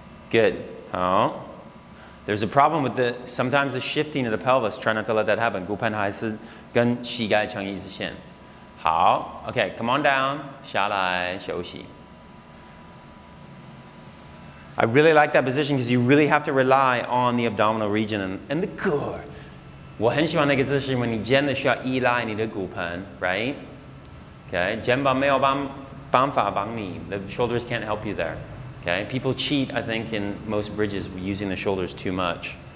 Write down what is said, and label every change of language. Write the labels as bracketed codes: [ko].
[en] Good. Oh. There's a problem with the... Sometimes the shifting of the pelvis. Try not to let that happen. [zh] 骨盆还是跟膝盖成一直线.好. [en] Okay, come on down. [zh] 下来休息. [en] I really like that position because you really have to rely on the abdominal region and the core. [zh] 我很喜欢那个姿势,因为你真的需要依赖你的骨盆, right? [en] Okay, [zh] 肩膀没有办法帮你, [en] the shoulders can't help you there. Okay, people cheat, I think, in most bridges using the shoulders too much.